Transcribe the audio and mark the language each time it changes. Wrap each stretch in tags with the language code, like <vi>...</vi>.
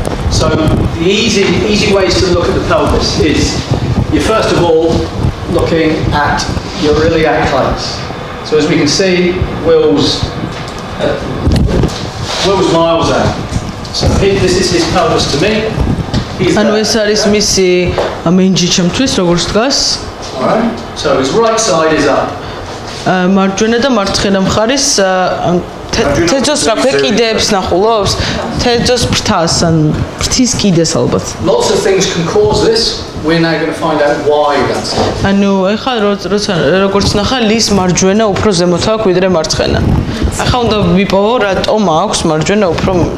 <en>So the easy ways to look at the pelvis is you first of all looking at your iliac class. So as we can see Will's miles out. So this is his pelvis to me.</en> <ka>ანუ ეს არის მისი მენჯი ჩემთვის როგორც დგას.</ka> <en>So his right side is up.</en> <ka>მარჯვენა და მარცხენა მხარის თეძოს რა ქვია კიდეებს ნახულობს? თეძოს ფრთას ან ფრთის კიდეს ალბათ.</ka> <en>Lots of things can cause this. We're now going to find out why that's.</en> <ka>ანუ ეხლა როცა როგორც ნახა ლის მარჯვენა უფრო ზემოთ აქვს ვიდრე მარცხენა. ახლა უნდა ვიპოვო რატომ აქვს მარჯვენა უფრო.</ka>